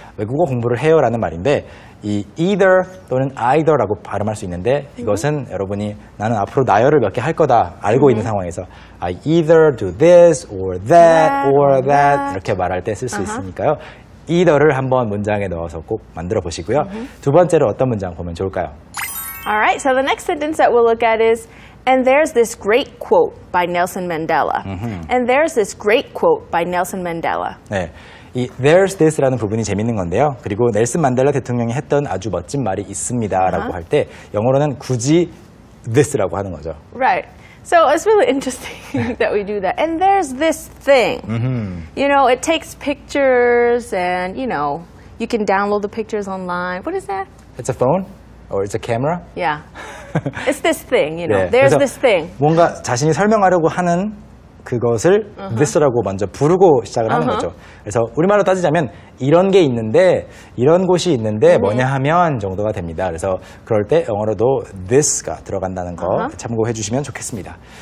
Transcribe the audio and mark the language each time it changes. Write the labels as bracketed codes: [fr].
[ko] 외국어 공부를 해요 라는 말인데 이 either 또는 either라고 발음할 수 있는데 이것은 여러분이 나는 앞으로 나열을 몇 개 할 거다 알고 있는 상황에서 [en] I either do this or that [ko] or that 이렇게 말할 때 쓸 수 있으니까요. either를 한번 문장에 넣어서 꼭 만들어 보시고요. 두 번째로 어떤 문장 보면 좋을까요? [en] Alright, so the next sentence that we'll look at is And there's this great quote by Nelson Mandela. And there's this great quote by Nelson Mandela. [ko] 네, 이 [en] there's this [ko] 라는 부분이 재밌는 건데요. 그리고 넬슨 만델라 대통령이 했던 아주 멋진 말이 있습니다라고 할 때 영어로는 굳이 this라고 하는 거죠. [en] Right. So it's really interesting that we do that. And there's this thing. You know, it takes pictures and, you know, you can download the pictures online. What is that? It's a phone or it's a camera? Yeah. It's this thing, you know. [ko] 네, [en] There's this thing. [ko] 뭔가 자신이 설명하려고 하는 그것을 this라고 먼저 부르고 시작을 하는 거죠. 그래서 우리말로 따지자면 이런 게 있는데, 이런 곳이 있는데 뭐냐 하면 정도가 됩니다. 그래서 그럴 때 영어로도 this가 들어간다는 거 참고해 주시면 좋겠습니다.